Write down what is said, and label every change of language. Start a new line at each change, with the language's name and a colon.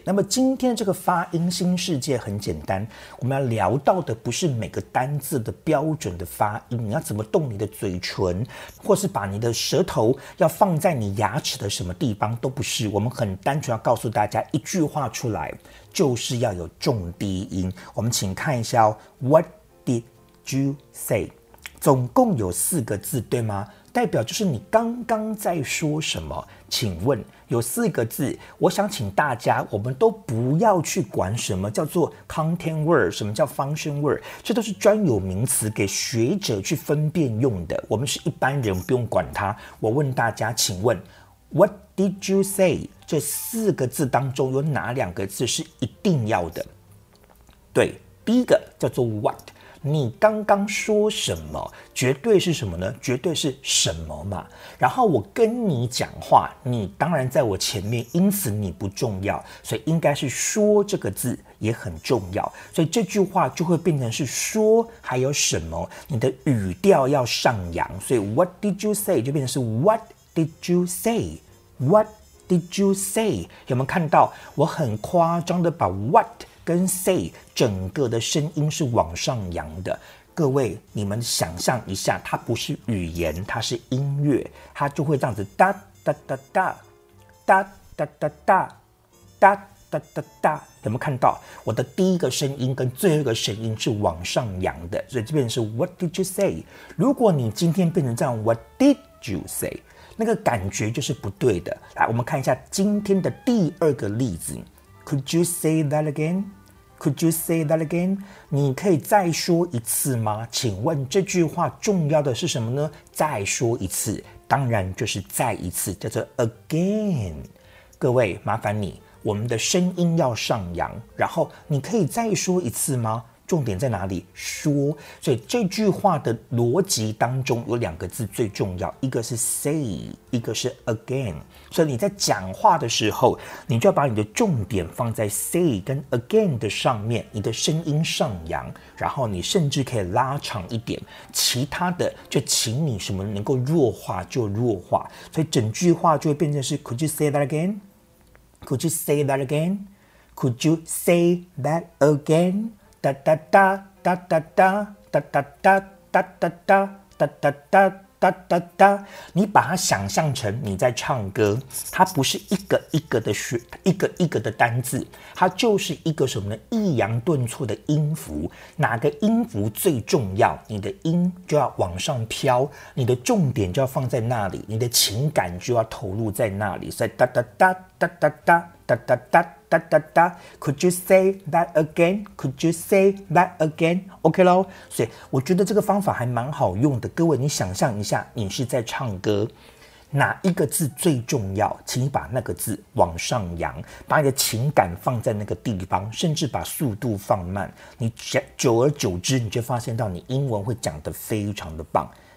Chinese: 那么今天这个发音新世界很简单，我们要聊到的不是每个单字的标准的发音，你要怎么动你的嘴唇，或是把你的舌头要放在你牙齿的什么地方，都不是。我们很单纯要告诉大家一句话出来，就是要有重低音。
English: 我们请看一下哦， What did you say?
Chinese: 总共有四个字，对吗？代表就是你刚刚在说什么。请问有四个字，我想请大家，我们都不要去管什么叫做 content word， 什么叫 function word， 这都是专有名词，给学者去分辨用的，我们是一般人不用管它。我问大家，请问
English: what did you say
Chinese: 这四个字当中有哪两个字是一定要的？对，第一个叫做 what，你刚刚说什么，绝对是什么呢？绝对是什么嘛。然后我跟你讲话，你当然在我前面，因此你不重要，所以应该是说这个字也很重要。所以这句话就会变成是说还有什么，你的语调要上扬。所以
English: What did you say
Chinese: 就变成是
English: What did you say? What did you say?
Chinese: 有没有看到我很夸张的把 What跟 say 整个的声音是往上扬的。各位，你们想象一下，它不是语言，它是音乐，它就会这样子哒哒哒哒哒哒哒哒哒哒哒哒。有没有看到我的第一个声音跟最后一个声音是往上扬的？所以这边是
English: What did you say?
Chinese: 如果你今天变成这样
English: What did you say?
Chinese: 那个感觉就是不对的。来，我们看一下今天的第二个例子。
English: Could you say that again? Could you say that again?
Chinese: 你可以再说一次吗？请问这句话重要的是什么呢？再说一次，当然就是再一次，叫做 again。各位，麻烦你，我们的声音要上扬，然后你可以再说一次吗？重点在哪里？说。所以这句话的逻辑当中有两个字最重要，一个是 say， 一个是 again。所以你在讲话的时候，你就要把你的重点放在 say 跟 again 的上面，你的声音上扬，然后你甚至可以拉长一点，其他的就请你什么能够弱化就弱化。所以整句话就会变成是
English: Could you say that again? Could you say that again? Could you say that again? 哒哒哒哒哒哒哒哒哒哒哒哒哒哒哒哒哒哒。
Chinese: 你把它想象成你在唱歌，它不是一个一个的学，一个一个的单字，它就是一个什么呢？抑扬顿挫的音符，哪个音符最重要？你的音就要往上飘，你的重点就要放在那里，你的情感就要投入在那里。所以哒哒哒哒哒哒哒哒哒。
English: 哒哒哒 ，Could you say that again? Could you say that again?
Chinese: OK 喽，所以我觉得这个方法还蛮好用的。各位，你想象一下，你是在唱歌，哪一个字最重要？请你把那个字往上扬，把你的情感放在那个地方，甚至把速度放慢。你久而久之，你就发现到你英文会讲得非常的棒。